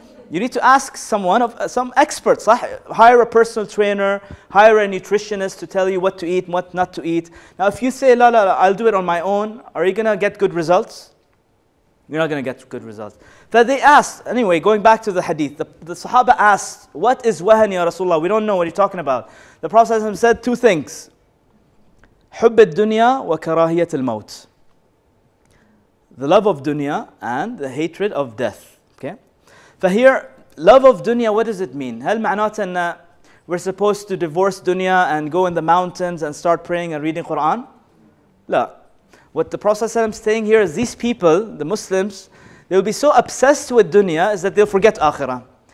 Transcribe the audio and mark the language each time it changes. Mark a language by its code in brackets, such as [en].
[en] You need to ask someone, some experts, hire a personal trainer, hire a nutritionist to tell you what to eat, what not to eat. Now if you say, la, I'll do it on my own, are you going to get good results? You're not going to get good results. So they asked, anyway, going back to the hadith, the Sahaba asked, what is wahan ya Rasulullah? We don't know what you're talking about. The Prophet said two things. [ar] حب الدنيا وكراهية الموت. [en] The love of dunya and the hatred of death. Okay, for here, love of dunya, what does it mean? هل معناته أن we're supposed to divorce dunya and go in the mountains and start praying and reading Quran? [ar] لا. [en] What the Prophet ﷺ is saying here is these people, the Muslims, they will be so obsessed with dunya is that they'll forget akhirah.